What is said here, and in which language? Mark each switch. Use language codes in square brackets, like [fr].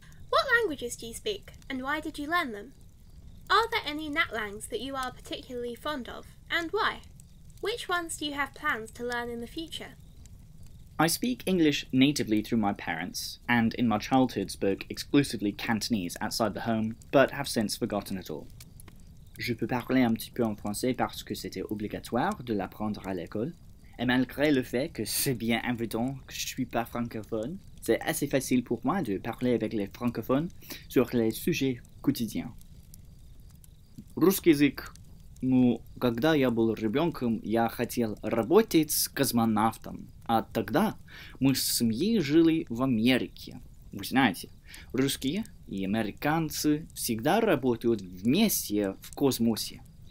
[en] What languages do you speak, and why did you learn them? Are there any NatLangs that you are particularly fond of, and why? Which ones do you have plans to learn in the future? I speak English natively through my parents, and in my childhood spoke exclusively Cantonese outside the home, but have since forgotten it all. [fr] Je peux parler un petit peu en français parce que c'était obligatoire de l'apprendre à l'école, et malgré le fait que c'est bien évident que je ne suis pas francophone, c'est assez facile pour moi de parler avec les francophones sur les sujets quotidiens. [ru] Русский язык. Ну, когда я был ребенком, я хотел работать с космонавтом, а тогда мы с семьей жили в Америке. Вы знаете, русские и американцы всегда работают вместе в космосе.